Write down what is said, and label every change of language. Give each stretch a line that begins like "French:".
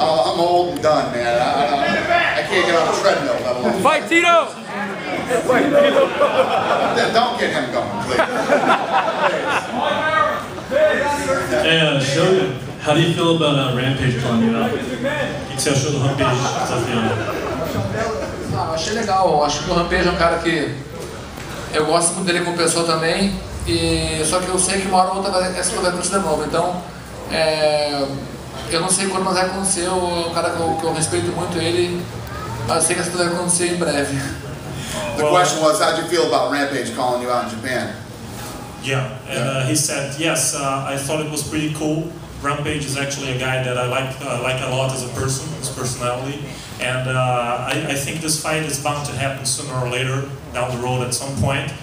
English: I'm old and done, man. I can't get on a treadmill, let alone. Fight Tito! Don't get him going, please. Hey, show him. How do you feel about Rampage calling you out?
Portuguese: Que você achou do Rampage? Achei legal, acho que o Rampage é um cara que eu gosto muito dele como pessoa também, e só que eu sei que uma hora ou outra essa coisa vai acontecer de novo, então eu não sei quando mais vai acontecer, o cara que eu respeito muito ele, mas sei que essa coisa vai acontecer em breve.
English: The question was, how do you feel about Rampage calling you out in Japan? Yeah, and he said, yes, I thought it was pretty cool. Rampage is actually a guy that I like a lot as a person, his personality. And I think this fight is bound to happen sooner or later down the road at some point.